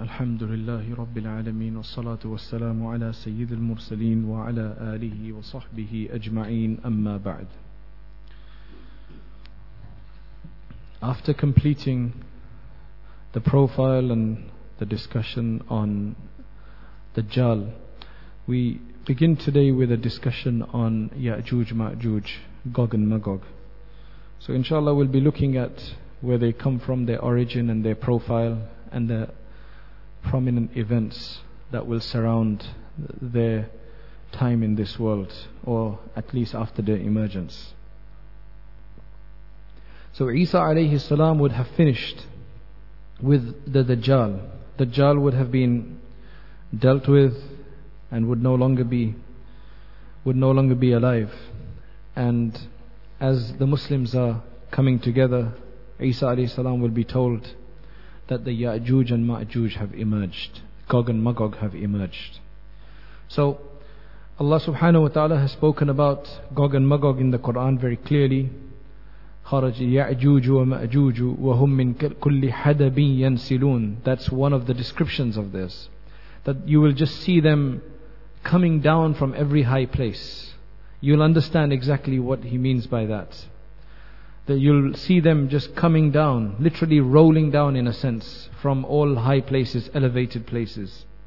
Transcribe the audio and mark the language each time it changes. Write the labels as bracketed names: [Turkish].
[Arabic] الحمد لله رب العالمين، والصلاة والسلام على سيد المرسلين وعلى آله وصحبه أجمعين، أما بعد. [English] After completing the profile and the discussion on Dajjal, we begin today with a discussion on Ya'juj Ma'juj, Gog and Magog. So inshallah we'll be looking at where they come from, their origin and their profile, and the prominent events that will surround their time in this world, or at least after their emergence. So Isa alayhi salam would have finished with the Dajjal. Dajjal would have been dealt with and would no longer be alive. And as the Muslims are coming together, Isa alayhi salam will be told that the Ya'juj and Ma'juj have emerged, Gog and Magog have emerged. So Allah subhanahu wa ta'ala has spoken about Gog and Magog in the Quran very clearly. [Arabic] خرج يعجوج ومأجوج وهم من كل حدب ينسلون. [English] That's one of the descriptions of this, that you will just see them coming down from every high place. You'll understand exactly what he means by that, that you'll see them just coming down, literally rolling down in a sense, from all high places, elevated places.